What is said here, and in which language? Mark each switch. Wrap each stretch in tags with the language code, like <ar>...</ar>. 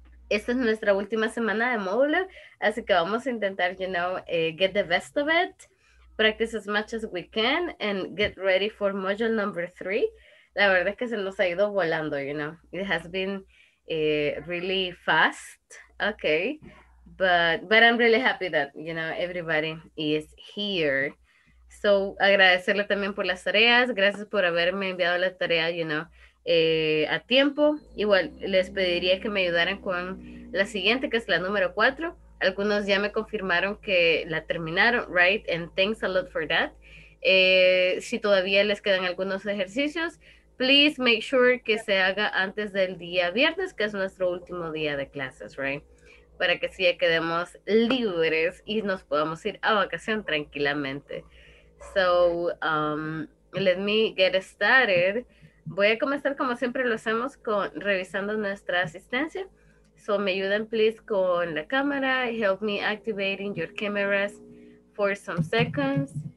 <es>Esta es nuestra última semana de módulo, así que vamos a intentar,</es> <en>you know, get the best of it, practice as much as we can, and get ready for module number 3.</en> <es>La verdad es que se nos ha ido volando, you know.</es> <en>It has been really fast, okay. But I'm really happy that, you know, everybody is here.</en> <es>So, agradecerle también por las tareas. Gracias por haberme enviado la tarea,</es> <en>you know.</en> <es>A tiempo, igual les pediría que me ayudaran con la siguiente, que es la número 4. Algunos ya me confirmaron que la terminaron,</es> <en>right? And thanks a lot for that.</en> <es>Si todavía les quedan algunos ejercicios,</es> <en>please make sure</en> <es>que se haga antes del día viernes, que es nuestro último día de clases, right? Para que sí ya quedemos libres y nos podamos ir a vacación tranquilamente.</es> <en>So, let me get started.</en> <es>Voy a comenzar como siempre lo hacemos con revisando nuestra asistencia. So me ayudan</es> <en>please</en> <es>con la cámara.</es> <en>Help me activating your cameras for some seconds.</en>